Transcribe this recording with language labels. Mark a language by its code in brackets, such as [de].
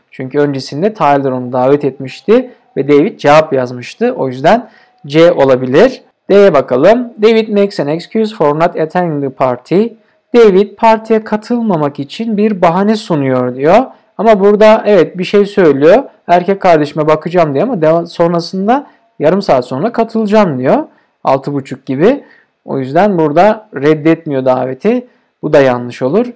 [tr] Çünkü öncesinde Tyler onu davet etmişti ve David cevap yazmıştı. O yüzden C olabilir. D'ye bakalım. [en] David makes an excuse for not attending the party. [tr] David partiye katılmamak için bir bahane sunuyor diyor. Ama burada evet bir şey söylüyor. Erkek kardeşime bakacağım diyor ama sonrasında yarım saat sonra katılacağım diyor. 6:30 gibi. O yüzden burada reddetmiyor daveti. Bu da yanlış olur.